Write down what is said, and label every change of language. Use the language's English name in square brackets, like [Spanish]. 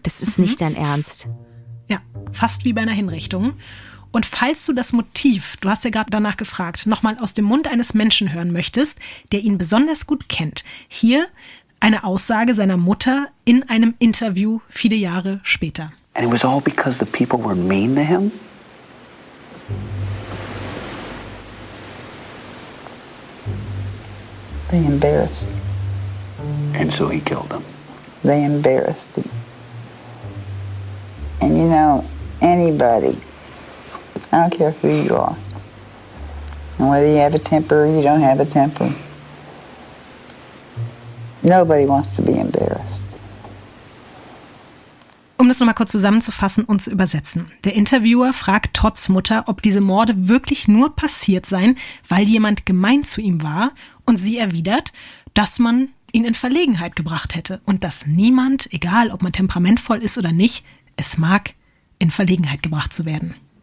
[German] Das ist nicht dein Ernst. Ja, fast wie bei einer Hinrichtung. Und falls du das Motiv, du hast ja gerade danach gefragt, nochmal aus dem Mund eines Menschen hören möchtest, der ihn besonders gut kennt, hier eine Aussage seiner Mutter in einem Interview viele Jahre später. [English] And it was all because the people were mean to him? They embarrassed him. And so he killed them. They embarrassed him. And you know, anybody, I don't care who you are, and whether you have a temper or you don't have a temper, nobody wants to be embarrassed. [German] Um das nochmal kurz zusammenzufassen und zu übersetzen. Der Interviewer fragt Todds Mutter, ob diese Morde wirklich nur passiert seien, weil jemand gemein zu ihm war, und sie erwidert, dass man ihn in Verlegenheit gebracht hätte und dass niemand, egal ob man temperamentvoll ist oder nicht, es mag, in Verlegenheit gebracht zu werden.